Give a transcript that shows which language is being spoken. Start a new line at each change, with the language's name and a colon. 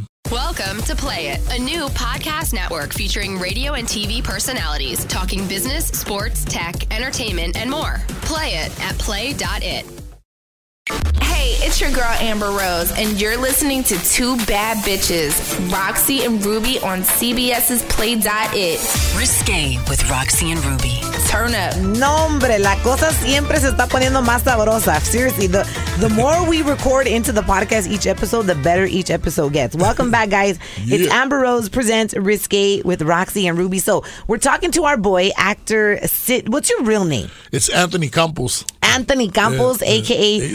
English: Welcome to Play It, a new podcast network featuring radio and TV personalities talking business, sports, tech, entertainment, and more. Play it at play.it. Hey, it's your girl Amber Rose, and you're listening to Two Bad Bitches, RaqC and Rubi on CBS's Play.it. Risqué with RaqC and Rubi. Turn up.
Spanish: No, hombre, la cosa siempre se está poniendo más sabrosa.
English: Seriously, the more we record into the podcast each episode, the better each episode gets. Welcome back, guys. Yeah. It's Amber Rose Presents Risqué with RaqC and Rubi. So we're talking to our boy, actor Sid. What's your real name? It's Anthony Campos. Anthony Campos, a.k.a.